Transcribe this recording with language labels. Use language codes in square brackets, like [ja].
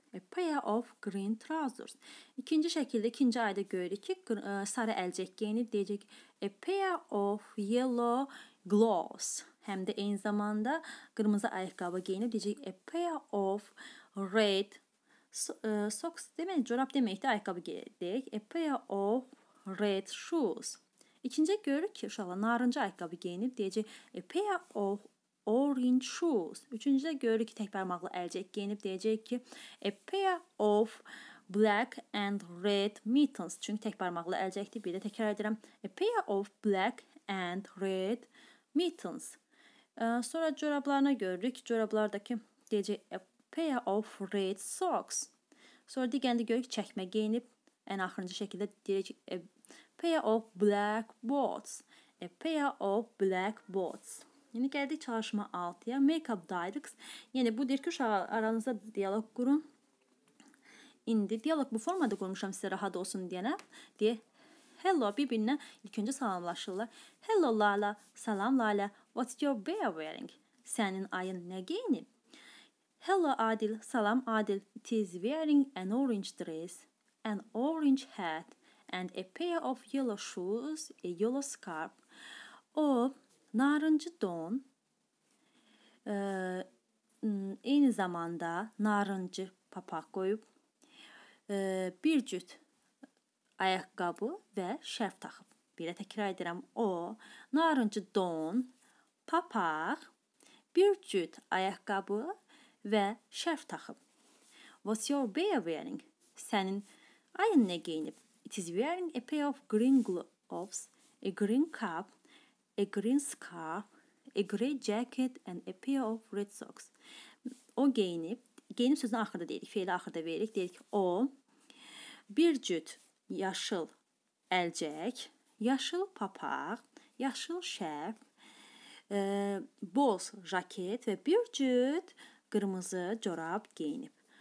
[en] A pair of green trousers. [az] İkinci şəkildə, ikinci ayda görürük ki, sarı əlcək geyinib, deyəcək, [en] a pair of yellow gloves. [az] Həm də eyni zamanda qırmızı ayaqqabı geyinib, deyəcək, [en] a pair of red socks. [az] Deməli, corab deməkdir, ayaqqabı deyək, [en] a pair of red shoes. [az] İkinci görürük ki, uşaqlar, narıncı ayaqqabı geyinib, deyəcək, [en] a pair of orange shoes. [az] Üçüncü də görürük ki, tək barmaqlı əlcək geyinib, deyəcək ki, [en] a pair of black and red mittens. [az] Çünki tək barmaqlı əlcəkdir, bir də təkrar edirəm. [en] A pair of black and red mittens. [az] Sonra corablarına görürük ki, corablardakı deyəcək, a pair of red socks. Sonra digəndə görürük ki, çəkmə geyinib, ən axırıncı şəkildə deyəcək, a pair of black boots. [en] A pair of black boots. [az] Yəni gəldik çalışma 6-ya. [en] Make up dialogs. [az] Yəni bu deyir ki, uşaqlar aranızda dialoq qurun. İndi dialoq bu formada qurmuşam sizə rahat olsun deyənə. Deyə [en] Hello, [az] bir-birinə ilk öncə salamlaşırlar. [en] Hello, [az] Lala. Salam, Lala. [en] What's your bear wearing? [az] Sənin ayın nə geyinib? [en] Hello, [az] Adil. Salam, Adil. [en] It is wearing an orange dress, an orange hat, and a pair of yellow shoes, a yellow scarf. [az] O, narıncı don. Eyni zamanda narıncı papaq qoyub. Bir cüt. Ayaqqabı və şərf taxıb. Belə təkrar edirəm. O, narıncı don, papaq, bir cüt ayaqqabı və şərf taxıb. [en] What's your bear wearing? [az] Sənin ayın nə geyinib? [en] It is wearing a pair of green gloves, a green cap, a green scarf, a grey jacket and a pair of red socks. [az] O geyinib. Geyinib sözünü axırda deyirik. Feili axırda veririk. Deyirik ki, o, bir cüt yaşıl əlcək, yaşıl papaq, yaşıl şərf, boz jaket və bir cüt qırmızı corab geyinib.